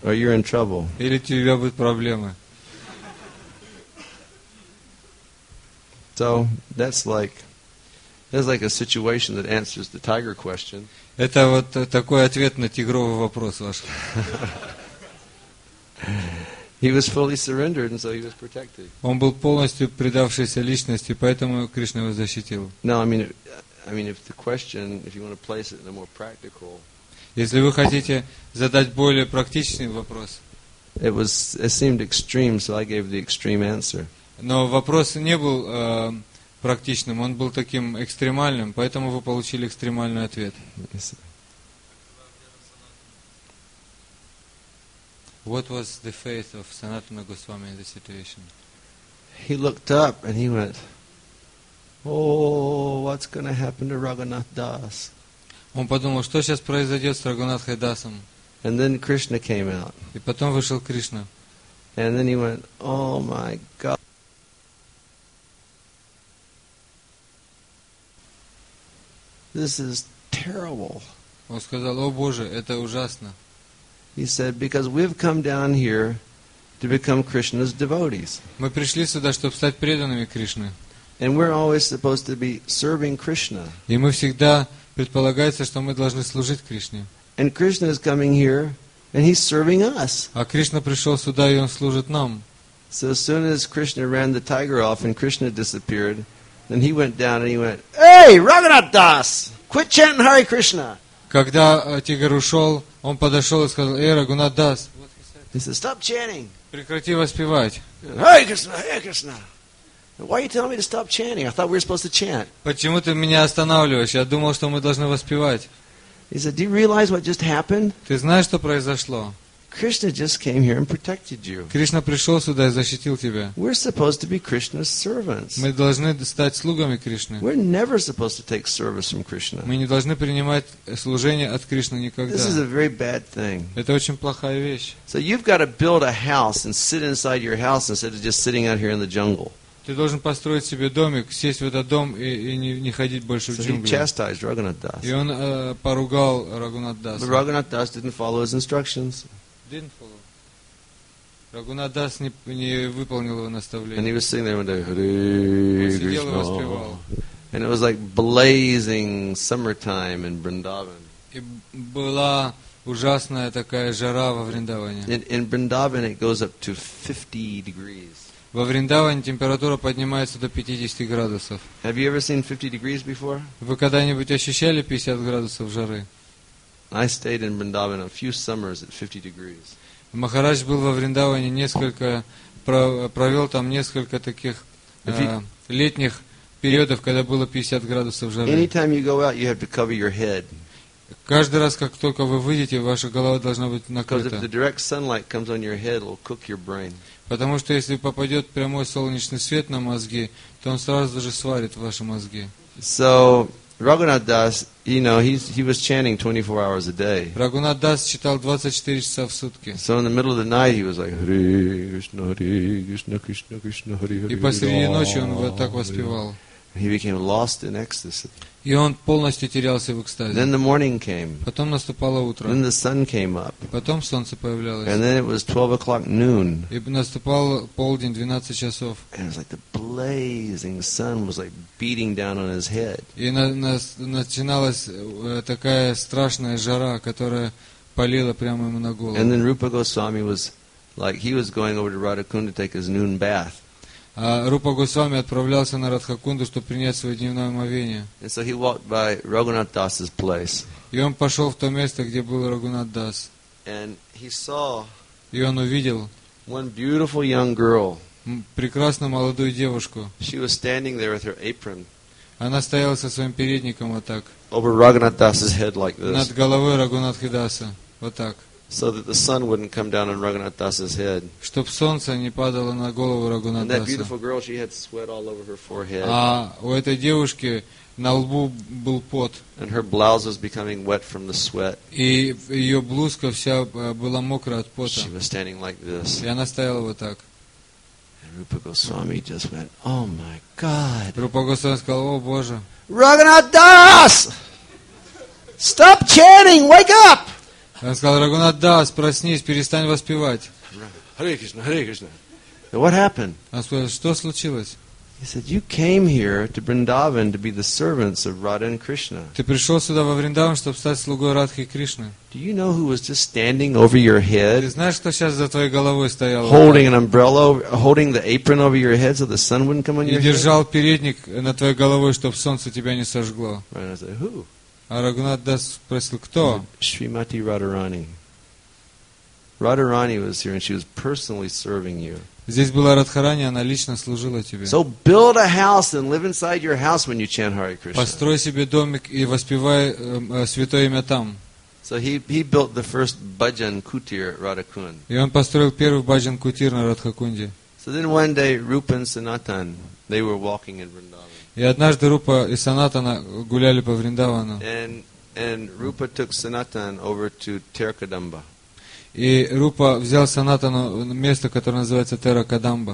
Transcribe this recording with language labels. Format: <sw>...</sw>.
<en>Or you're in trouble.</en> <ru>Или у тебя будут проблемы.</ru> <en>So that's like a situation that answers the tiger question.</en> <ru>Это вот такой ответ на тигровый вопрос ваш.</ru> <en>He was fully surrendered, and so he was protected.</en> <ru>Он был полностью предавшейся личности, поэтому Кришна его защитил.</ru> <en>Now, I mean, if the question, if you want to place it in a more practical,</en> <ru>если вы хотите задать более практичный вопрос,</ru> <en>it seemed extreme, so I gave the extreme answer.</en> <ru>Но вопрос не был практичным, он был таким экстремальным, поэтому вы получили экстремальный ответ.</ru> <en>Yes. What was the faith of Sanatana Goswami in the situation? He looked up and he went, "Oh, what's going to happen to Raghunath Das?"</en> <ru>Он подумал, что сейчас произойдет с Рагунатхой Дасом.</ru> <en>And then Krishna came out.</en> <ru>И потом вышел Кришна.</ru> <en>And then he went, "Oh my God." This is terrible.</en> <ru>Он сказал: "О Боже, это ужасно."</ru> <en>He said, "Because we've come down here to become Krishna's devotees."</en> <ru>Мы пришли сюда, чтобы стать преданными Кришны.</ru> <en>And we're always supposed to be serving Krishna.</en> <ru>И мы всегда предполагается, что мы должны служить Кришне.</ru> <en>And Krishna is coming here, and he's serving us.</en> <ru>А Кришна пришел сюда, и он служит нам.</ru> <en>So as soon as Krishna ran the tiger off and Krishna disappeared, then he went down and he went, "Hey, Raghunath Das, quit chanting Hare Krishna."</en> <ru>Когда тигр ушел, он подошел и сказал: "Эй, Рагунатх Дас."</ru> <en>He said, "Stop chanting."</en> <ru>Прекрати воспевать.</ru> <en>Hare Krishna, Hare Krishna. Why are you telling me to stop chanting? I thought we were supposed to chant.</en> <ru>Почему ты меня останавливаешь? Я думал, что мы должны воспевать.</ru> <en>He said, "Do you realize what just happened?"</en> <ru>Ты знаешь, что произошло?</ru> <en>Krishna just came here and protected you.</en> <ru>Кришна пришел сюда и защитил тебя.</ru> <en>We're supposed to be Krishna's servants.</en> <ru>Мы должны стать слугами Кришны.</ru> <en>We're never supposed to take service from Krishna.</en> <ru>Мы не должны принимать служение от Кришны никогда.</ru> <en>This is a very bad thing.</en> <ru>Это очень плохая вещь.</ru> <en>So you've got to build a house and sit inside your house instead of just sitting out here in the jungle.</en> <ru>Ты должен построить себе домик, сесть в этот дом и не ходить больше в джунгли.</ru> <en>So he chastised Raghunath Das.</en> <ru>И он поругал Рагунатх Даса.</ru> <en>But Raghunath Das didn't follow his instructions. Didn't follow.</en> <ru>Рагунатх Дас не выполнил его наставление.</ru> <en>And he was singing with Hare Krishna.</en> <ru>Он сидел и воспевал.</ru> <en>And it was like blazing summertime in Vrindavan.</en> <ru>И была ужасная такая жара во Вриндаване.</ru> <en>In Vrindavan it goes up to 50 degrees.</en> <ru>Во Вриндаване температура поднимается до 50 градусов.</ru> <en>Have you ever seen 50 degrees before?</en> <ru>Вы когда-нибудь ощущали 50 градусов жары?</ru> <en>I stayed in Vrindavan a few summers at 50 degrees.</en> <ru>Махарадж был во Вриндаване несколько провел там несколько таких летних периодов, когда было 50 градусов жары.</ru> <en>Anytime you go out, you have to cover your head.</en> <ru>Каждый раз, как только вы выйдете, ваша голова должна быть накрыта.</ru> <en>Because if the direct sunlight comes on your head, it'll cook your brain.</en> <ru>Потому что если попадет прямой солнечный свет на мозги, то он сразу же сварит ваши мозги.</ru> <en>So Raghunath Das, you know, he was chanting 24 hours a day.</en> <ru>Raghunath Das читал 24 часа в сутки.</ru> <en>So in the middle of the night he was like Hare Krishna, Hare Krishna, Krishna Krishna, Hare Hare.</en> <ru>И посреди ночи он вот так воспевал.</ru> <en>He became lost in ecstasy.</en> <ru>И он полностью терялся в экстазе.</ru> <en>Then the morning came.</en> <ru>Потом наступало утро.</ru> <en>Then the sun came up.</en> <ru>Потом солнце появлялось.</ru> <en>And then it was 12 o'clock noon.</en> <ru>И наступал полдень, 12 часов.</ru> <en>And it was like the blazing sun was like beating down on his head.</en> <ru>И начиналась такая страшная жара, которая палила прямо ему на голову.</ru> <en>And then Rupa Goswami was like he was going over to Radhakund to take his noon bath.</en> <ru>А Рупа Госвами отправлялся на Радхакунду, чтобы принять свое дневное омовение.</ru> <en>And so he walked by Raghunath Das's place.</en> <ru>И он пошел в то место, где был Рагунат Дас.</ru> <en>And he saw</en> <ru>и он увидел</ru> <en>one beautiful young girl.</en> <ru>Прекрасную молодую девушку.</ru> <en>She was standing there with her apron.</en> <ru>Она стояла со своим передником вот так.</ru> <en>Over Raghunath Das's head like this.</en> <ru>Над головой Рагунатхи Даса. Вот так.</ru> <en>So that the sun wouldn't come down on Raghunath Das's head.</en> <ru>Чтоб солнце не падало на голову Рагунатха</ru> <en>Даса. And that beautiful girl, she had sweat all over her forehead.</en> <ru>А у этой девушки на лбу был пот.</ru> <en>And her blouse was becoming wet from the sweat.</en> <ru>И ее блузка вся была мокрая от пота.</ru> <en>She was standing like this.</en> <ru>И она стояла вот так.</ru> <en>And Rupa Goswami just went, "Oh my God!"</en> <ru>Рупа Госвами сказал: "О Боже!"</ru> <en>Raghunath Das, stop chanting! Wake up!</en> <ru>Он сказал: "Рагунат Дас, проснись, перестань воспевать."</ru> <en>Hare Krishna, Hare Krishna. What happened?</en> <ru>Он сказал: "Что случилось?"</ru> <en>He said, "You came here to Vrindavan to be the servants of Radha and Krishna."</en> <ru>Ты пришел сюда во Вриндаван, чтобы стать слугой Радхи и Кришны.</ru> <en>Do you know who was just standing over your head?</en> <ru>Ты знаешь, кто сейчас за твоей головой стоял?</ru> <en>Holding an umbrella, holding the apron over your head so the sun wouldn't come on your head.</en> <ru>И держал передник на твоей голове, чтобы солнце тебя не сожгло.</ru> <en>Right, I said, "Who?"</en> <ru>А Рагунат Дас спросил: "Кто?" Шримати Радарани.</ru> <en>Радарани was here and she was personally serving you.</en> <ru>Здесь была Радхарани, она лично служила тебе.</ru> <en>So build a house and live inside your house when you chant Hare Krishna.</en> <ru>Построй себе домик и воспевай святое имя там.</ru> <en>So he built the first bhajan kutir at Radhakund.</en> <ru>И он построил первый bhajan kutir на Радхакунде.</ru> <en>So then one day Rupa and Sanatan, they were walking in Vrindavan.</en> <ru>И однажды Рупа и Санатана гуляли по Вриндавану.</ru> <en>And Rupa took Sanatan over to Terakadamba.</en> <ru>И Рупа взял Санатану место, которое называется Теракадамба.</ru>